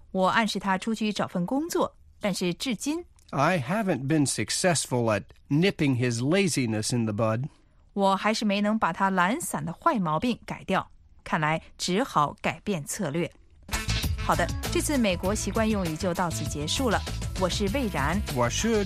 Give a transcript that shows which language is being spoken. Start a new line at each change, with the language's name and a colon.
Chinese: 我真希望有什么好办法能让我侄子知趣点。自从上个月搬来我家住，他就一直无所事事，整天看电视。我暗示他出去找份工作，但是至今...
English: I haven't been successful at nipping his laziness in the bud.
Chinese: 我还是没能把他懒散的坏毛病改掉，看来只好改变策略。好的，这次美国习惯用语就到此结束了。我是魏然。我是